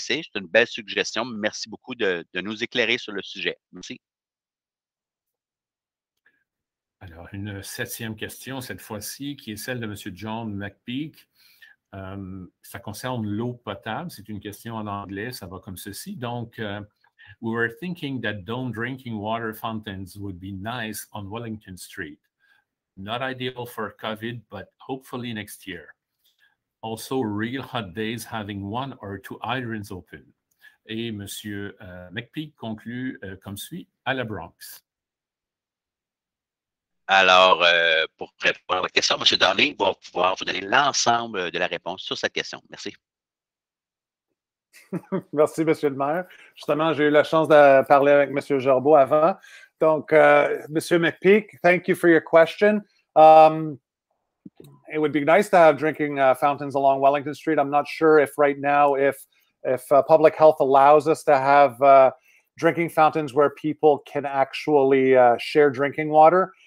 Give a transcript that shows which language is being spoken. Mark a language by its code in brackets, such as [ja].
[fr] C'est une belle suggestion. Merci beaucoup de nous éclairer sur le sujet. Merci. Alors, une septième question cette fois-ci, qui est celle de M. John McPeak. Ça concerne l'eau potable. C'est une question en anglais. Ça va comme ceci. Donc, [en] we were thinking that dome drinking water fountains would be nice on Wellington Street. Not ideal for COVID, but hopefully next year. Also, real hot days having one or two hydrants open. [fr] Et M. McPeak conclut comme suit, à la Bronx. Alors, pour répondre à la question, M. Darley va pouvoir vous donner l'ensemble de la réponse sur cette question. Merci. Merci, M. le maire. Justement, j'ai eu la chance de parler avec M. Gerbeau avant. Donc, M. [en] McPeak, thank you for your question. It would be nice to have drinking fountains along Wellington Street. I'm not sure if right now, if public health allows us to have drinking fountains where people can actually share drinking water.